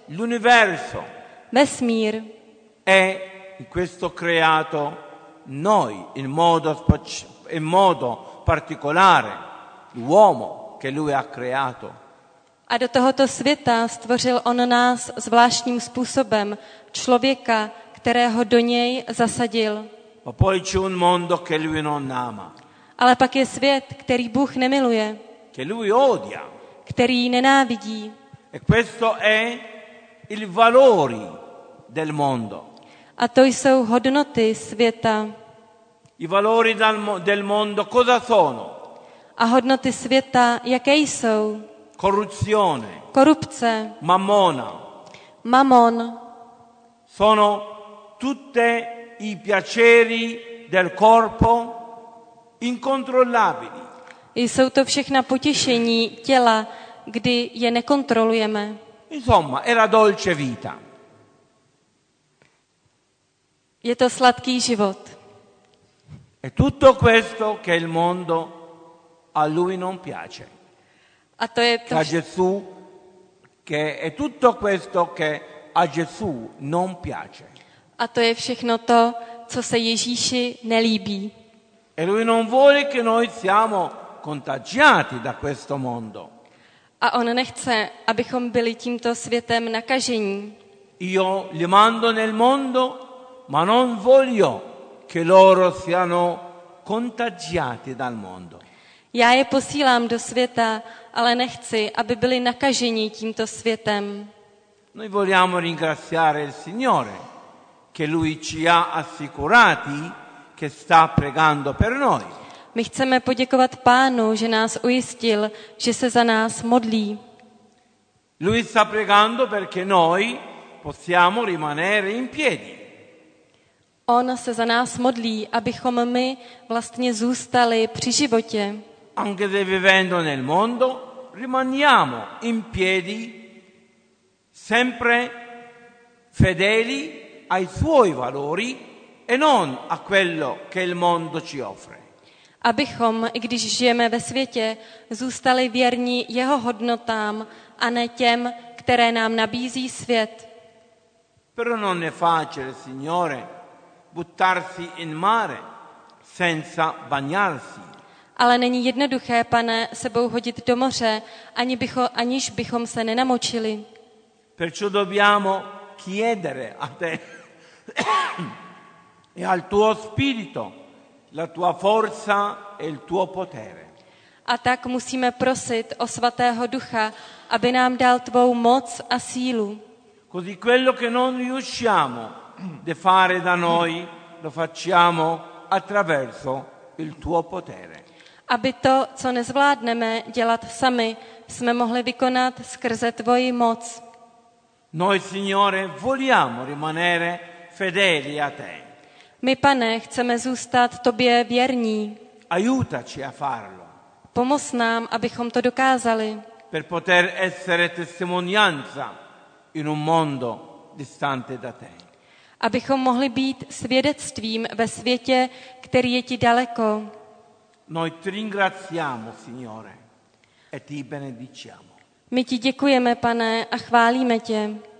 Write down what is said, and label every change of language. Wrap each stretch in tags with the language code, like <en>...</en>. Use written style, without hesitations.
<it>L'universo.</it> <cs>Vesmír.</cs> <it>È in questo creato noi in modo particolare l'uomo che lui ha creato.</it> <cs>A do tohoto světa stvořil on nás zvláštním způsobem, člověka, kterého do něj zasadil.</cs> <it>Ma poi c'è un mondo che lui non ama.</it> <cs>Ale pak je svět, který Bůh nemiluje.</cs> <it>Che lui odia.</it> <cs>Který nenávidí.</cs> <it>E questo è il valori del mondo.</it> <cs>A to jsou hodnoty světa.</cs> <it>I valori del mondo cosa sono?</it> <cs>A hodnoty světa jaké jsou?</cs> <it>Corruzione.</it> <cs>Korupce.</cs> <it>Mammona.</it> <cs>Mammon.</cs> <it>Sono tutte i piaceri del corpo incontrollabili.</it> <cs>Jsou to všechna potěšení těla, kdy je nekontrolujeme.</cs> <it>Insomma, è la dolce vita.</it> <cs>Je to sladký život.</cs> <it>E tutto questo che il mondo a lui non piace.</it> <cs>A to je to.</cs> <it>A Gesù che è tutto questo che a Gesù non piace.</it> <cs>A to je všechno to, co se Ježíši nelíbí.</cs> <it>E lui non vuole che noi siamo contagiati da questo mondo.</it> <cs>A on nechce, abychom byli tímto světem nakažení.</cs> <it>Io li mando nel mondo, ma non voglio che loro siano contagiati dal mondo.</it> <cs>Já je posílám do světa, ale nechci, aby byli nakaženi tímto světem.</cs> <it>Noi vogliamo ringraziare il Signore che lui ci ha assicurati che sta pregando per noi.</it> <cs>My chceme poděkovat Pánu, že nás ujistil, že se za nás modlí.</cs> <it>Lui sta pregando perché noi possiamo rimanere in piedi.</it> <cs>On se za nás modlí, abychom my vlastně zůstali při životě.</cs> <it>Anche se vivendo nel mondo rimaniamo in piedi sempre fedeli ai suoi valori e non a quello che il mondo ci offre.</it> <cs>Abychom, i když žijeme ve světě, zůstali věrní jeho hodnotám a ne těm, které nám nabízí svět.</cs> <it>Però non è facile, signore, buttarsi in mare senza bagnarsi.</it> <cs>Ale není jednoduché, pane, sebou hodit do moře, aniž bychom se nenamočili.</cs> <it>Perciò dobbiamo chiedere a te e al tuo spirito la tua forza e il tuo potere.</it> <cs>A tak musíme prosit o svatého ducha, aby nám dal tvou moc a sílu.</cs> <it>Così quello che non riusciamo di fare da noi lo facciamo attraverso il tuo potere.</it> <cs>Aby to, co nezvládneme dělat sami, jsme mohli vykonat skrze tvoji moc.</cs> <it>Noi, Signore, vogliamo rimanere fedeli a te.</it> <cs>My, pane, chceme zůstat tobě věrní.</cs> <it>Aiutaci a farlo.</it> <cs>Pomoz nám, abychom to dokázali.</cs> <it>Per poter essere testimonianza in un mondo distante da te.</it> <cs>Abychom mohli být svědectvím ve světě, který je ti daleko.</cs> <it>Noi ti ringraziamo, Signore. e ti benediciamo.</it> <cs>My ti děkujeme, Pane, a chválíme tě.</cs>